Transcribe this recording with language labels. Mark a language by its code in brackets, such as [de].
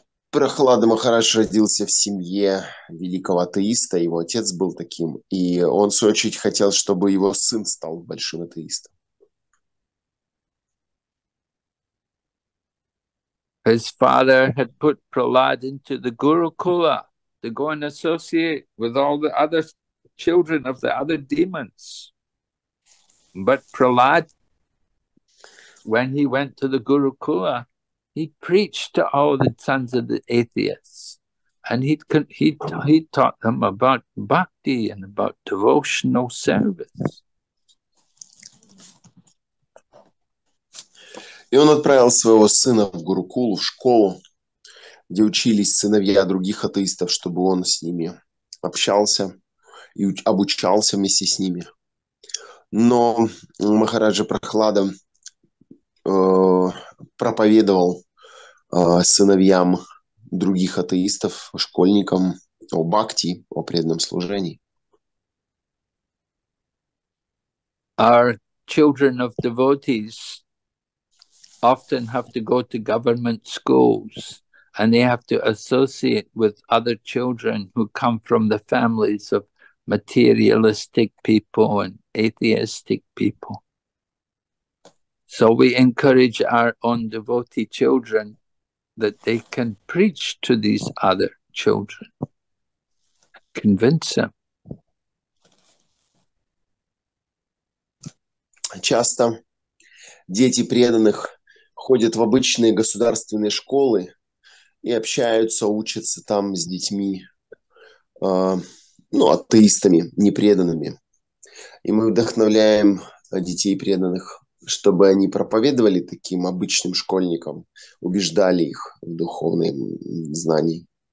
[ru] Прохлада Махарадж родился в семье великого атеиста, его отец был таким, и он, в свою очередь, хотел, чтобы его сын стал большим атеистом. [en] His father had put Prahlad into the Gurukula to go and associate with all the other children of the other demons. But Prahlad, when he went to the Gurukula, he preached to all the sons of the atheists, and he taught them about bhakti and about devotional service. [ru] И он отправил своего сына в Гурукулу, в школу, где учились сыновья других атеистов, чтобы он с ними общался и обучался вместе с ними. Но Махараджа Прахлада проповедовал сыновьям других атеистов, школьникам, о бхакти, о преданном служении. [en] Our children of devotees often have to go to government schools, and they have to associate with other children who come from the families of materialistic people and atheistic people. So we encourage our own devotee children that they can preach to these other children, convince them. [ru] Часто дети преданных ходят в обычные государственные школы и общаются, учатся там с детьми, ну, атеистами, непреданными. И мы вдохновляем детей преданных, чтобы они проповедовали таким обычным школьникам, убеждали их в духовном знании.